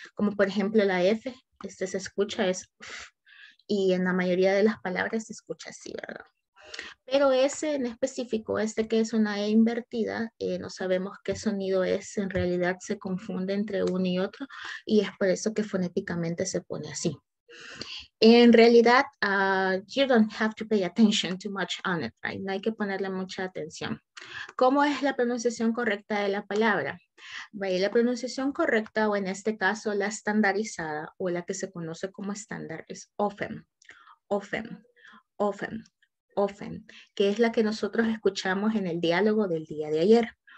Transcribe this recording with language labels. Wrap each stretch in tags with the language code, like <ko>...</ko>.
<es>Como por ejemplo la F, este se escucha, es F. Y en la mayoría de las palabras se escucha así, ¿verdad? Pero ese en específico, este que es una E invertida, no sabemos qué sonido es, en realidad se confunde entre uno y otro, y es por eso que fonéticamente se pone así. En realidad,</es> <en>you don't have to pay attention too much on it, right?</en> <es>No hay que ponerle mucha atención. ¿Cómo es la pronunciación correcta de la palabra? Bueno, la pronunciación correcta, o en este caso la estandarizada, o la que se conoce como estándar, es often, often, often, often, que es la que nosotros escuchamos en el diálogo del día de ayer.</es>